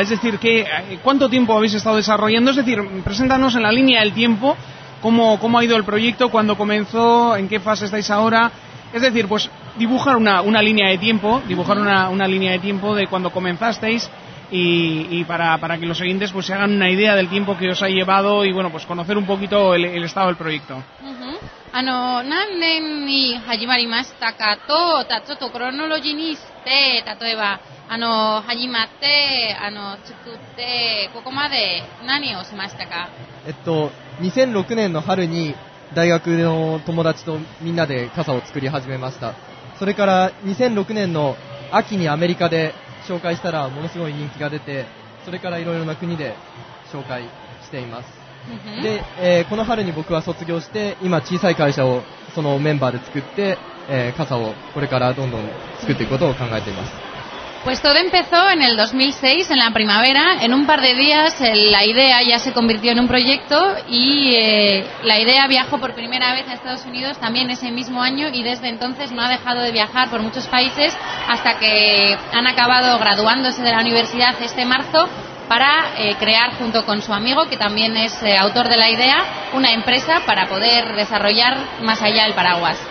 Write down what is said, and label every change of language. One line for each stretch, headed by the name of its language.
Spanish: Es decir, ¿cuánto tiempo habéis estado desarrollando? Es decir, preséntanos en la línea del tiempo cómo ha ido el proyecto, cuándo comenzó, en qué fase estáis ahora. Es decir, pues dibujar una línea de tiempo, dibujar una línea de tiempo de cuando comenzasteis y para que los oyentes pues se hagan una idea del tiempo que os ha llevado y bueno, pues conocer un poquito el estado del proyecto.
Japanese: あの何年に始まりましたかと、ちょっとクロノロジーにして、例えばあの始まって、あの作って、ここまで何をしましたか。 2006年の春に大学の友達とみんなで傘を作り始めました。それから2006年の秋にアメリカで紹介したらものすごい人気が出て、それからいろいろな国で紹介しています。で、この春に僕は卒業して今小さい会社をそのメンバーで作って、傘をこれからどんどん作っていくことを考えています。
Spanish: Pues todo empezó en el 2006 en la primavera. En un par de días la idea ya se convirtió en un proyecto y la idea viajó por primera vez a Estados Unidos también ese mismo año y desde entonces no ha dejado de viajar por muchos países hasta que han acabado graduándose de la universidad este marzo para crear junto con su amigo, que también es autor de la idea, una empresa para poder desarrollar más allá el paraguas.